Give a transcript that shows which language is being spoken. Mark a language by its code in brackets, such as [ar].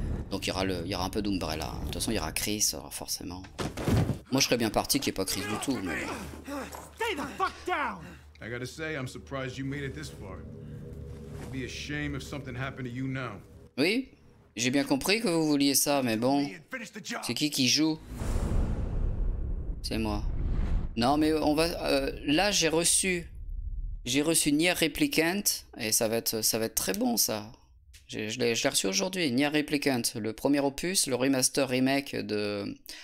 [fr] Donc il y aura un peu d'Umbrella. De toute façon, il y aura Chris, forcément. Moi, je serais bien parti qu'il n'y ait pas Chris du tout, mais... [en] Stay the fuck down. I gotta say, I'm surprised you made it this far. It'd be a shame if something happened to you now. [fr] Oui, j'ai bien compris que vous vouliez ça, mais bon... C'est qui joue? C'est moi. Non, mais on va. Là, j'ai reçu Nier Replicant et ça va être très bon, ça. Je l'ai reçu aujourd'hui. Nier Replicant, le premier opus, le remaster remake de.